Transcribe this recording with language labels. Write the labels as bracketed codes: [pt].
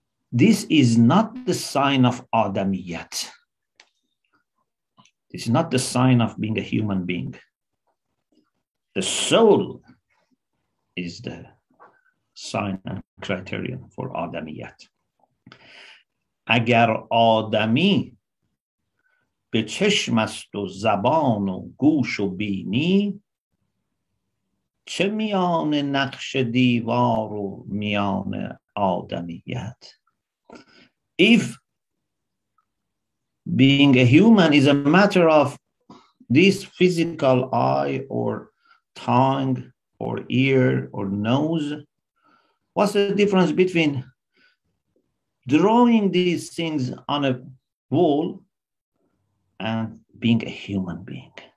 [en] This is not the sign of Adamiyat. This is not the sign of being a human being. The soul is the sign and criterion for Adamiyat. [fa] Agar Adami به چشم است و زبان و گوش و بینی چه میان نقش دیوار و میان آدمیت. [en] If being a human is a matter of this physical eye or tongue or ear or nose, what's the difference between drawing these things on a wall and being a human being?